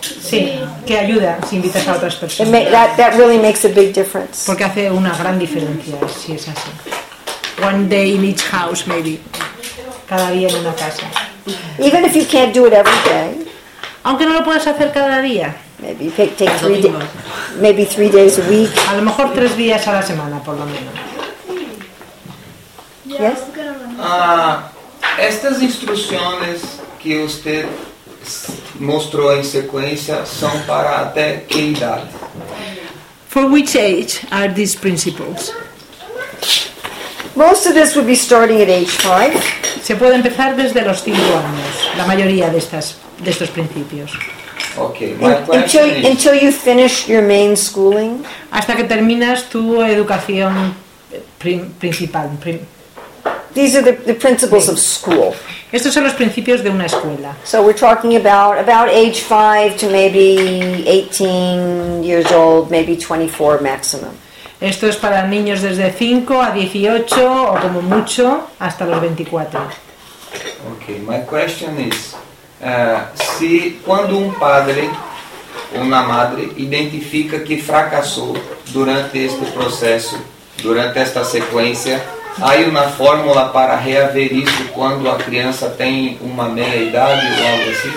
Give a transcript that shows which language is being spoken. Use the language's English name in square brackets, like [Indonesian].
[Spanish] Sí, que ayuda si invitas a otras personas. [English] That really makes a big difference. [Spanish] Porque hace una gran diferencia si es así. [English] One day in each house, maybe. [Spanish] Cada día en una casa. [English] Even if you can't do it every day. [Spanish] Aunque no lo puedas hacer cada día. [English] Maybe take 3 days. Maybe 3 days a week. [Spanish] A lo mejor 3 días a la semana, por lo menos. [English] Yes. [Spanish] Estas instrucciones que usted mostró en secuencia son para de qué edad? [English] For which age are these principles? Most of this would be starting at age 5. [Spanish] Se puede empezar desde los 5 años, la mayoría de estos principios. [English] Okay, until you finish your main schooling. [Spanish] Hasta que terminas tu educación principal. [English] These are the principles of school. [Spanish] Estos son los principios de una escuela. [English] So we're talking about age 5 to maybe 18 years old, maybe 24 maximum. [Spanish] Esto es para niños desde 5 a 18 o como mucho hasta los 24. [English] Okay, my question is, [Spanish] si cuando un padre o una madre identifica que fracasó durante este proceso, durante esta secuencia, ¿hay una fórmula para rehaber eso cuando la criança tem una meia idade o algo así?